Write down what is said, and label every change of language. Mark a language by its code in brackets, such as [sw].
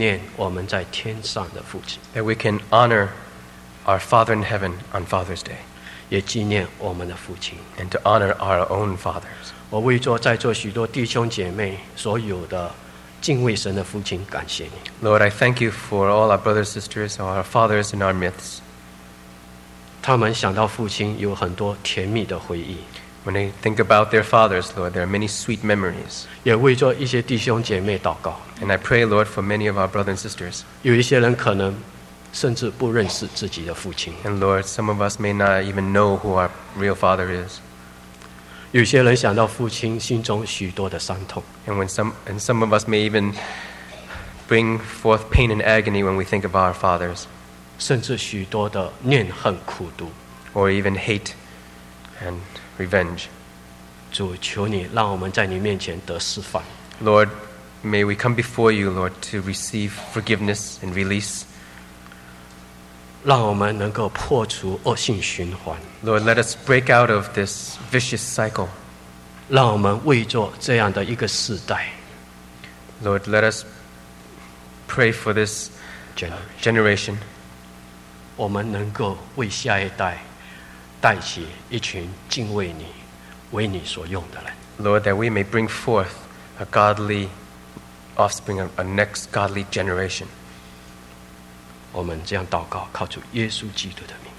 [zh] 让我们今天在父亲节来纪念我们在天上的父亲, [en] that we can honor our Father in heaven on Father's Day, [zh] 也纪念我们的父亲, [en] and to honor our own fathers. [zh] 我为着在座许多弟兄姐妹所有的 [en] Lord, I thank you for all our brothers and sisters, our fathers and our myths. [zh] 他们想到父亲有很多甜蜜的回忆。 [en] When they think about their fathers, Lord, there are many sweet memories. [zh] 也为着一些弟兄姐妹祷告。 [en] And I pray, Lord, for many of our brothers and sisters. [zh] 有一些人可能甚至不认识自己的父亲。 [en] And Lord, some of us may not even know who our real father is. [zh] 有些人想到父亲，心中许多的伤痛。 [en] And when some of us may even bring forth pain and agony when we think of our fathers. [zh] 甚至许多的念恨苦毒。 [en] Or even hate and revenge. [zh] 主，求你让我们在你面前得释放。 [en] Lord, may we come before you, Lord, to receive forgiveness and release. [zh] 让我们能够破除恶性循环。 [en] Lord, let us break out of this vicious cycle. [zh] 让我们为着这样的一个世代。 [en] Lord, let us pray for this generation. [zh] 我们能够为下一代带起一群敬畏你、为你所用的人。 [en] Lord, that we may bring forth a godly offspring, a next godly generation. [zh] 我们这样祷告，靠主耶稣基督的名。